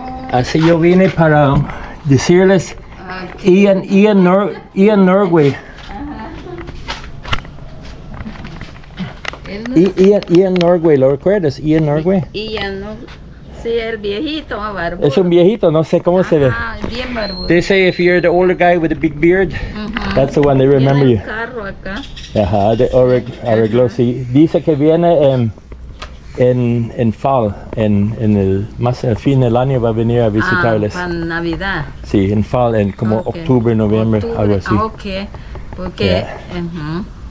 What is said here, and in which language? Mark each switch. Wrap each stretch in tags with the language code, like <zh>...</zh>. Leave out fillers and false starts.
<es>Así yo vine para decirles Ian Norgway. Ian Norgway, ¿lo recuerdas? Ian Norgway. Ian, sí, el viejito, barbudo. Es un viejito, no sé cómo se ve. Ah, bien barbudo.</es> <en>They say if you're the older guy with the big beard, uh-huh. That's the one they remember you.</en> <es>Tiene carro acá. Ajá, de arreglo, sí. Dice que viene en fall, en el, más al fin del año va a venir a visitarles. Ah, para Navidad. Sí, en fall, en como okay. Octubre, noviembre, octubre. Algo así. Ah, ok, porque, ajá. Yeah. Uh-huh.</es>